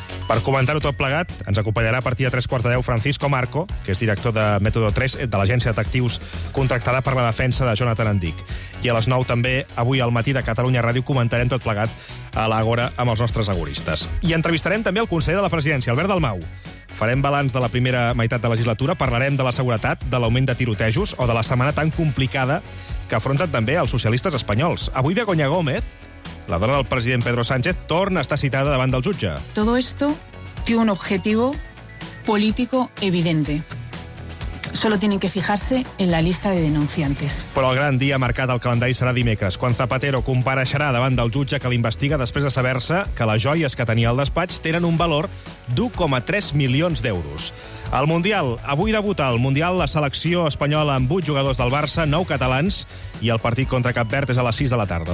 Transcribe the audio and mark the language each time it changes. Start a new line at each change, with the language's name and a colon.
Catalan: Per comentar-ho tot plegat, ens acompanyarà a partir de 3:15 Francisco Marco, que és director de Método 3 de l'agència d'actius contractada per la defensa de Jonathan Andick. I a les 9 també, avui al matí de Catalunya Ràdio, comentarem tot plegat a l'Àgora amb els nostres agoristes. I entrevistarem també el conseller de la presidència, Albert Dalmau. Farem balanç de la primera meitat de legislatura, parlarem de la seguretat, de l'augment de tirotejos o de la setmana tan complicada que afronten també els socialistes espanyols. Avui Begoña Gómez, la dona del president Pedro Sánchez, torna a estar citada davant del jutge.
Spanish: Todo esto tiene un objetivo político evidente. Solo tienen que fijarse en la lista de denunciantes.
Catalan: Però el gran dia marcat al calendari serà dimecres, quan Zapatero compareixerà davant del jutge que l'investiga després de saber-se que les joies que tenia al despatx tenen un valor d'1,3 milions d'euros. El Mundial, avui debuta al Mundial la selecció espanyola amb 8 jugadors del Barça, 9 catalans, i el partit contra Cap Verd és a les 6 de la tarda.